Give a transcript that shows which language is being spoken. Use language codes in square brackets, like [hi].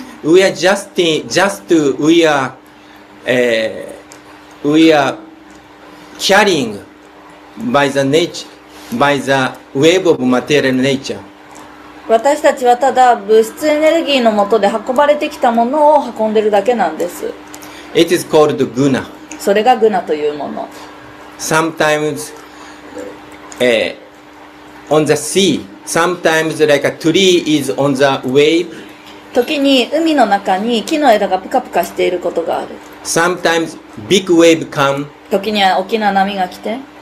[en] We are carrying by the nature, by the wave of material nature. [ja] 私たちはただ物質エネルギーのもとで運ばれてきたものを運んでるだけなんです。 [en] It is called guna. [ja] それがグナというもの。 [en] Sometimes, on the sea, sometimes like a tree is on the wave. [ja] 時に海の中に木の枝がぷかぷかしていることがある。 [en] Sometimes big wave come. [ja] 時には大きな波が来て。